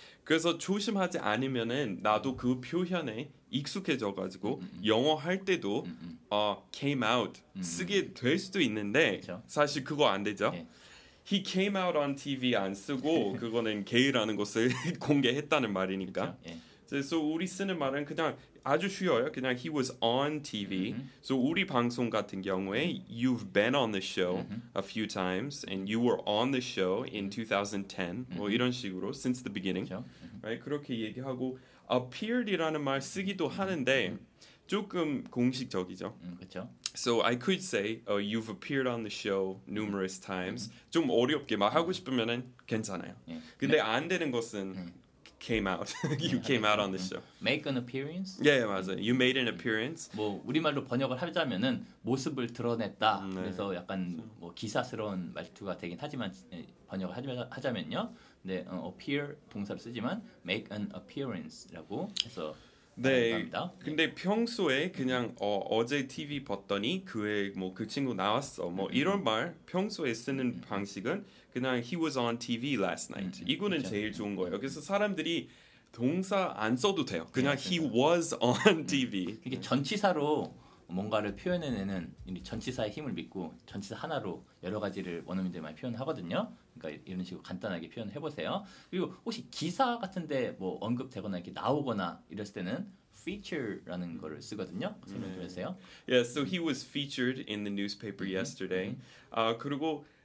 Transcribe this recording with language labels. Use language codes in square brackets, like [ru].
[ko] 그래서 조심하지 않으면은 나도 그 표현에 익숙해져가지고 영어 할 때도 came out 쓰게 될 수도 있는데 그쵸? 사실 그거 안 되죠. 네. [en] He came out on TV [ko] 안 쓰고 그거는 gay라는 것을 공개했다는 말이니까. 네. So 우리 쓰는 말은 그냥 아주 쉬워요. [en] 그냥 he was on TV. So [ko] 우리 방송 같은 경우에 [en] you've been on the show a few times and you were on the show in 2010. [ko] 뭐 이런 식으로 [en] since the beginning. [ko] 그렇죠. [en] Right? [ko] 그렇게 얘기하고 appeared이라는 말 쓰기도 하는데 조금 공식적이죠. 그렇죠. [en] So I could say you've appeared on the show numerous times. [ko] 좀 어렵게 말하고 싶으면은 괜찮아요. 예. 근데 안 되는 것은 [en] came out. you came out on the show. Make an appearance? [ko] 예, 맞아요. [en] You made an appearance. [ko] 뭐 우리말로 번역을 하자면은 모습을 드러냈다. 네. 그래서 약간 뭐 기사스러운 말투가 되긴 하지만 번역을 하자면요. 네, appear 동사를 쓰지만 [en] make an appearance [ko] 라고 해서 네. 감사합니다. 근데 평소에 그냥 어제 TV 봤더니 그의 뭐 그 친구 나왔어. 뭐 이런 말 평소에 쓰는 방식은 그냥 [en] he was on TV last night. [ko] 이거는 그렇죠. 제일 좋은 거예요. 그래서 사람들이 동사 안 써도 돼요. [en] 그냥 네, he was on TV. [ko] 이게 전치사로 뭔가를 표현해내는 전치사의 힘을 믿고 전치사 하나로 여러 가지를 원어민들이 많이 표현하거든요. 그러니까 이런 식으로 간단하게 표현해 보세요. 그리고 혹시 기사 같은데 뭐 언급되거나 이렇게 나오거나 이랬을 때는 feature라는 거를 쓰거든요. 설명 좀 해주세요. [en] Yeah, so he was featured in the newspaper yesterday. [ko] 그리고